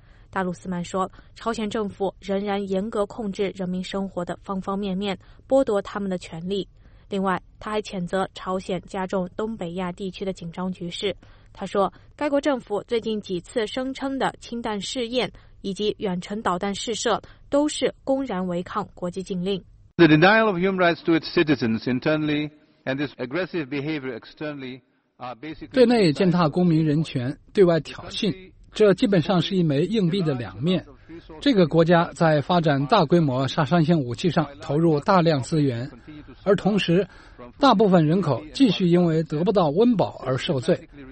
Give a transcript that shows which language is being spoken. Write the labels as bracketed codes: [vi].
[zh] 达鲁斯曼说，朝鲜政府仍然严格控制人民生活的方方面面，剥夺他们的权利。另外，他还谴责朝鲜加重东北亚地区的紧张局势。他说，该国政府最近几次声称的氢弹试验以及远程导弹试射都是公然违抗国际禁令。 [en] The denial of human rights to its citizens internally and this aggressive behavior externally are basically [zh] 对内践踏公民人权，对外挑衅，这基本上是一枚硬币的两面。这个国家在发展大规模杀伤性武器上投入大量资源，而同时大部分人口继续因为得不到温饱而受罪。